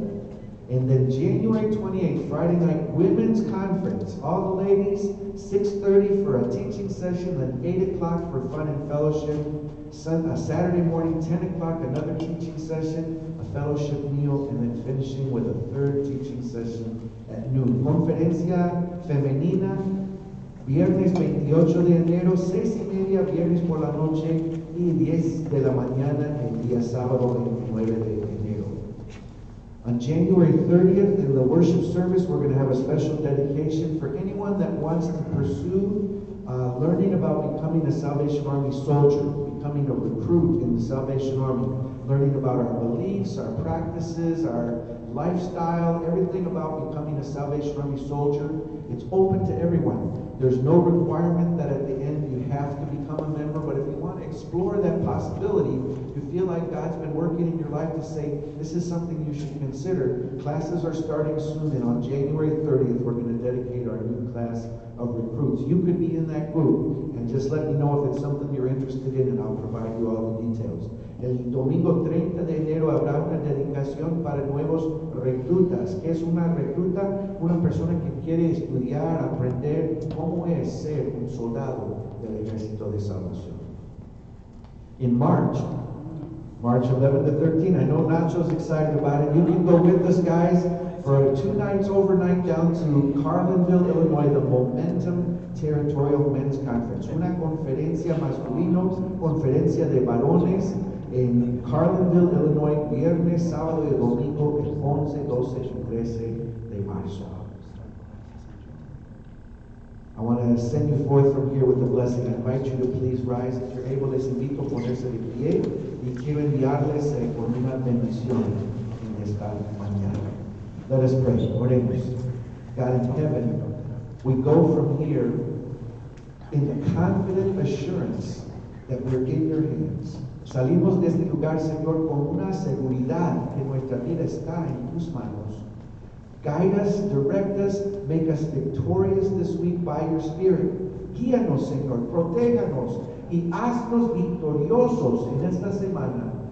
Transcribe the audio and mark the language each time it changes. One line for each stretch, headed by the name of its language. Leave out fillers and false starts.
English: And then January 28th, Friday night, Women's Conference. All the ladies, 6:30 for a teaching session, then 8 o'clock for fun and fellowship. Saturday morning, 10 o'clock, another teaching session, a fellowship meal, and then finishing with a third teaching session at noon.
Spanish: Conferencia Femenina, viernes 28 de enero, 6 y media, viernes por la noche, y 10 de la mañana, el día sábado, 29 de enero.
English: On January 30th, in the worship service, we're going to have a special dedication for anyone that wants to pursue learning about becoming a Salvation Army soldier, becoming a recruit in the Salvation Army, learning about our beliefs, our practices, our lifestyle, everything about becoming a Salvation Army soldier. It's open to everyone. There's no requirement that at the end you have to become a member, but if you want to explore that possibility, you feel like God's been working in your life to say, this is something you should consider. Classes are starting soon, and on January 30th, we're going to dedicate our new class of recruits. You could be in that group, and just let me know if it's something you're interested in, and I'll provide you all the details.
Spanish: El domingo 30 de enero habrá una dedicación para nuevos reclutas. ¿Qué es una recluta? Una persona que quiere estudiar, aprender cómo es ser un soldado del Ejército de Salvación.
English: In March 11th to 13th, I know Nacho's excited about it. You can go with us, guys, for two nights overnight down to Carlinville, Illinois, the Momentum Territorial Men's Conference.
Spanish: Una conferencia masculino, conferencia de varones, in Carlinville, Illinois, viernes, sábado y domingo, el 11, 12, y 13 de marzo.
English: I want to send you forth from here with a blessing. I invite you to please rise if you're able.
Spanish: Les invito a ponerse de pie y quiero enviarles con una bendición en esta mañana.
English: Let us pray.
Spanish: Oremos.
English: God in heaven, we go from here in the confident assurance that we're in your hands.
Spanish: Salimos de este lugar, Señor, con una seguridad que nuestra vida está en tus manos.
English: Guide us, direct us, make us victorious this week by your Spirit.
Spanish: Guíanos, Señor, protéganos y haznos victoriosos en esta semana.